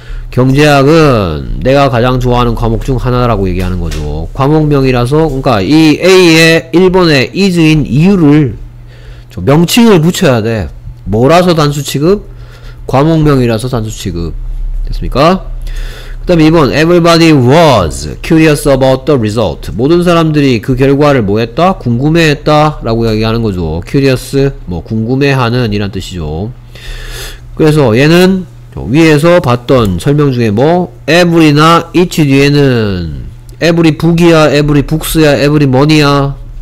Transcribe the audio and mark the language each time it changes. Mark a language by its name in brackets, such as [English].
[Korean] 경제학은 내가 가장 좋아하는 과목 중 하나라고 얘기하는 거죠. 과목명이라서, 그러니까 이 A의 1번에 is인 이유를 저 명칭을 붙여야 돼. 뭐라서 단수 취급? 과목명이라서 단수 취급. 됐습니까? 그 다음에 2번 [English] Everybody was curious about the result. [Korean] 모든 사람들이 그 결과를 뭐 했다? 궁금해했다 라고 얘기하는 거죠. curious, 뭐 궁금해하는 이란 뜻이죠. 그래서 얘는 위에서 봤던 설명 중에 뭐 every나 each 뒤에는 every book이야, every books야, every money야.